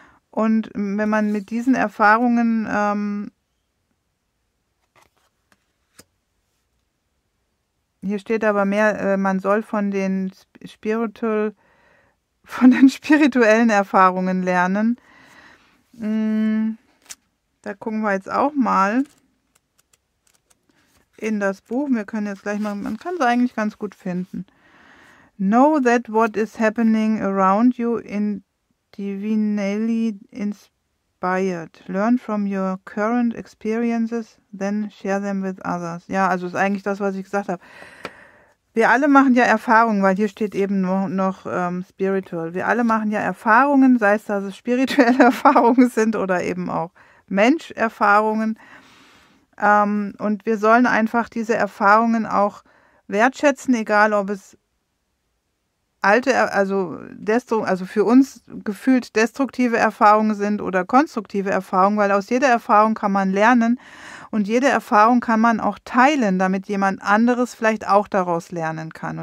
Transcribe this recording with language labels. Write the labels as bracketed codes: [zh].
[de] Und wenn man mit diesen Erfahrungen hier steht aber mehr, man soll von den spirituellen Erfahrungen lernen. Da gucken wir jetzt auch mal in das Buch. Wir können jetzt gleich mal, man kann es eigentlich ganz gut finden. [en] Know that what is happening around you in divinely inspired. Learn from your current experiences, then share them with others. [de] Ja, also ist eigentlich das, was ich gesagt habe. Wir alle machen ja Erfahrungen, weil hier steht eben noch spiritual. Wir alle machen ja Erfahrungen, sei es, dass es spirituelle Erfahrungen sind oder eben auch Mensch-Erfahrungen. Und wir sollen einfach diese Erfahrungen auch wertschätzen, egal ob es für uns gefühlt destruktive Erfahrungen sind oder konstruktive Erfahrungen, weil aus jeder Erfahrung kann man lernen und jede Erfahrung kann man auch teilen, damit jemand anderes vielleicht auch daraus lernen kann.